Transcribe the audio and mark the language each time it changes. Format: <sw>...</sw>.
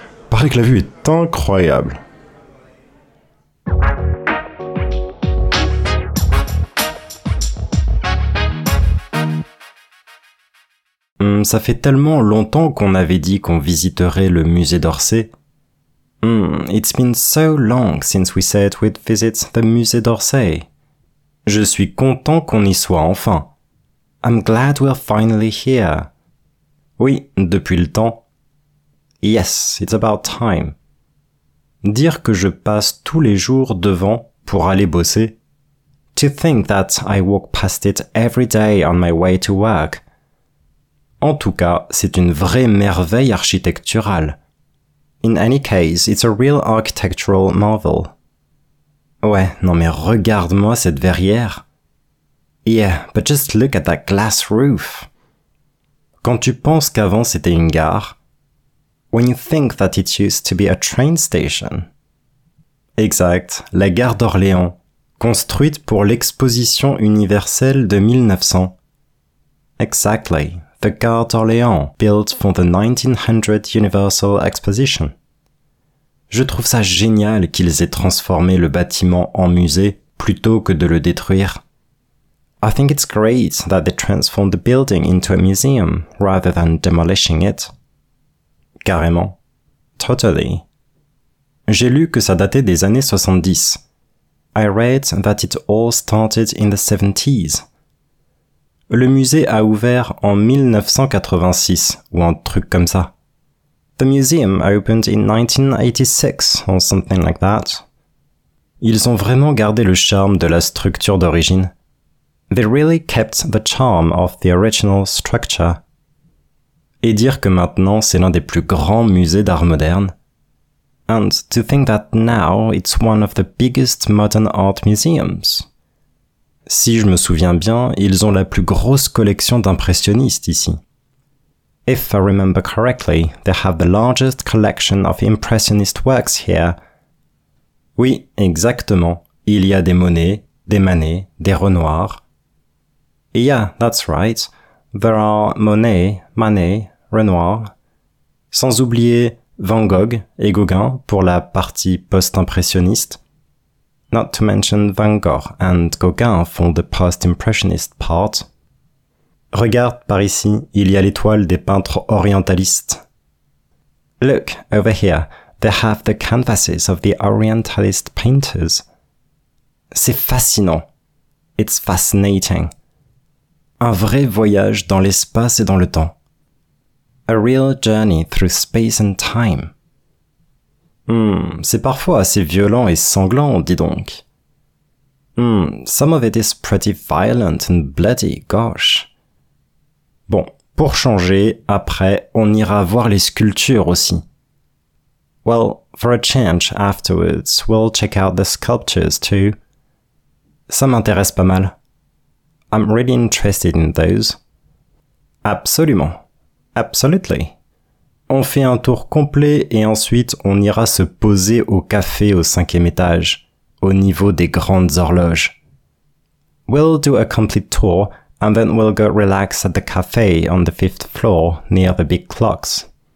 <fr>Paraît que la vue est incroyable. Ça fait tellement longtemps qu'on avait dit qu'on visiterait le musée d'Orsay.</fr> <en>It's been so long since we said we'd visit the musée d'Orsay.</en> <fr>Je suis content qu'on y soit enfin.</fr> <en>I'm glad we're finally here.</en> <fr>Oui, depuis le temps.</fr> <en>Yes, it's about time.</en> <fr>Dire que je passe tous les jours devant pour aller bosser.</fr> <en>To think that I walk past it every day on my way to work.</en> <fr>En tout cas, c'est une vraie merveille architecturale.</fr> <en>In any case, it's a real architectural marvel.</en> <fr>Ouais, non mais regarde-moi cette verrière.</fr> <en>Yeah, but just look at that glass roof.</en> <fr>Quand tu penses qu'avant c'était une gare.</fr> <en>When you think that it used to be a train station.</en> <fr>Exact, la gare d'Orléans, construite pour l'exposition universelle de 1900.</fr> <en>Exactly. The Gare d'Orléans, built for the 1900 Universal Exposition.</en> <fr>Je trouve ça génial qu'ils aient transformé le bâtiment en musée plutôt que de le détruire.</fr> <en>I think it's great that they transformed the building into a museum rather than demolishing it.</en> <fr>Carrément.</fr> <en>Totally.</en> <fr>J'ai lu que ça datait des années 70.</fr> <en>I read that it all started in the 70s.</en> <fr>Le musée a ouvert en 1986, ou un truc comme ça.</fr> <en>The museum opened in 1986, or something like that.</en> <fr>Ils ont vraiment gardé le charme de la structure d'origine.</fr> <en>They really kept the charm of the original structure.</en> <fr>Et dire que maintenant c'est l'un des plus grands musées d'art moderne.</fr> <en>And to think that now it's one of the biggest modern art museums.</en> <fr>Si je me souviens bien, ils ont la plus grosse collection d'impressionnistes ici.</fr> <en>If I remember correctly, they have the largest collection of impressionist works here.</en> <fr>Oui, exactement. Il y a des Monet, des Manet, des Renoir.</fr> <en>Yeah, that's right. There are Monet, Manet, Renoir.</en> <fr>Sans oublier Van Gogh et Gauguin pour la partie post-impressionniste.</fr> <en>Not to mention Van Gogh and Gauguin font the post-impressionist part.</en> <fr>Regarde par ici, il y a l'étoile des peintres orientalistes.</fr> <en>Look, over here, they have the canvases of the orientalist painters.</en> <fr>C'est fascinant.</fr> <en>It's fascinating.</en> <fr>Un vrai voyage dans l'espace et dans le temps.</fr> <en>A real journey through space and time.</en> <fr>C'est parfois assez violent et sanglant, dis donc.</fr> <en>Some of it is pretty violent and bloody, gosh.</en> <fr>Bon, pour changer, après, on ira voir les sculptures aussi.</fr> <en>Well, for a change, afterwards, we'll check out the sculptures too.</en> <fr>Ça m'intéresse pas mal.</fr> <en>I'm really interested in those.</en> <fr>Absolument.</fr> <en>Absolutely.</en> <fr>On fait un tour complet et ensuite on ira se poser au café au cinquième étage, au niveau des grandes horloges.</fr> <en>We'll do a complete tour and then we'll go relax at the café on the fifth floor near the big clocks.</en>